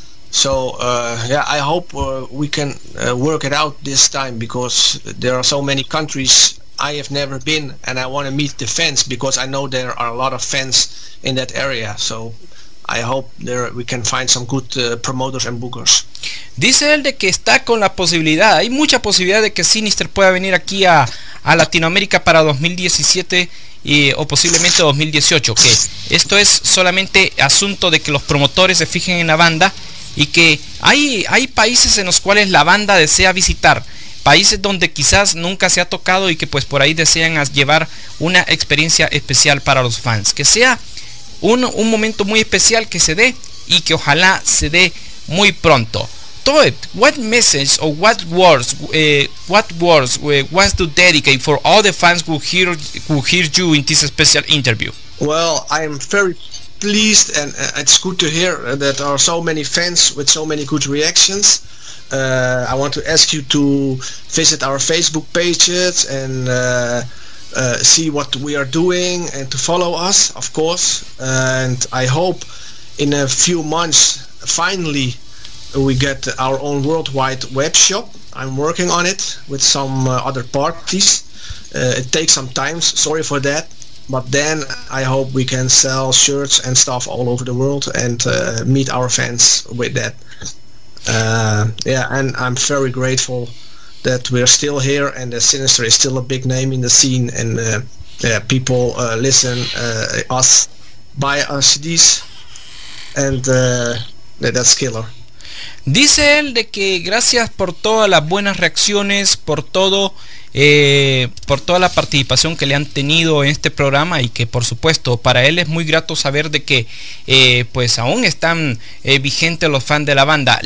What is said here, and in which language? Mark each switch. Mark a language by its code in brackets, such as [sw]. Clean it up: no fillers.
[en] So I hope we can work it out this time, because there are so many countries I have never been, and I want to meet the fans, because I know there are a lot of fans in that area. So I hope there we can find some good promoters and bookers. [es] Dice él de que está con la posibilidad, hay mucha posibilidad de que Sinister pueda venir aquí a Latinoamérica para 2017 o posiblemente 2018, que esto es solamente asunto de que los promotores se fijen en la banda y que hay países en los cuales la banda desea visitar. Países donde quizás nunca se ha tocado y que pues por ahí desean llevar una experiencia especial para los fans. Que sea un momento muy especial que se dé y que ojalá se dé muy pronto. [en] Toed, what message or what words wants to dedicate for all the fans who hear you in this special interview? Well, I am very pleased and it's good to hear that there are so many fans with so many good reactions. I want to ask you to visit our Facebook pages and see what we are doing and to follow us, of course. And I hope in a few months, finally, we get our own worldwide web shop. I'm working on it with some other parties. It takes some time, sorry for that. But then I hope we can sell shirts and stuff all over the world and meet our fans with that. And I'm very grateful that we're still here and the Sinister is still a big name in the scene, and people listen us, buy our CDs, and that's killer. [es] Dice él de que gracias por todas las buenas reacciones, por todo, por toda la participación que le han tenido en este programa y que por supuesto para él es muy grato saber de que pues aún están vigentes los fans de la banda.